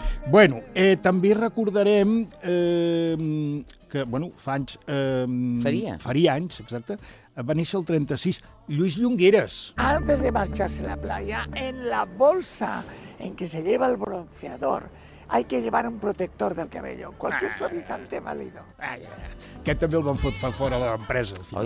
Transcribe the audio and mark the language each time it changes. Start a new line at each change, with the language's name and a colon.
Catalan: Bueno, també recordarem que, bueno, fa anys... Faria anys, exacte. Va néixer el 36, Lluís Llongueras.
Spanish: Antes de marcharse a la playa, en la bolsa en que se lleva el bronceador, hay que llevar un protector del cabello. Cualquier suavizante válido.
Catalan: Aquest també el van fotre fora de l'empresa.